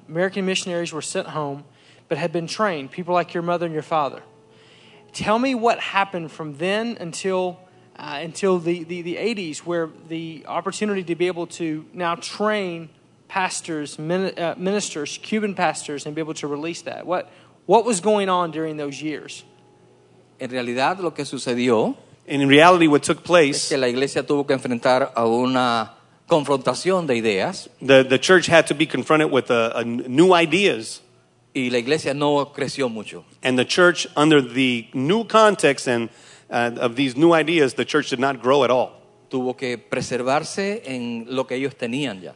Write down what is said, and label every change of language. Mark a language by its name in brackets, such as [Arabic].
[English] American missionaries were sent home, but had been trained, people like your mother and your father. Tell me what happened from then until until the 80s, where the opportunity to be able to now train pastors, ministers, Cuban pastors, and be able to release that. What was going on during those years? [Spanish] En realidad, lo que sucedió, [English] and in reality, what took place, [Spanish] es que la iglesia tuvo que enfrentar a una confrontación de ideas. [English] The church had to be confronted with a new ideas. [Spanish] Y la iglesia no creció mucho. [English] And the church, under the new context and of these new ideas, the church did not grow at all. [Spanish] Tuvo que preservarse en lo que ellos tenían ya.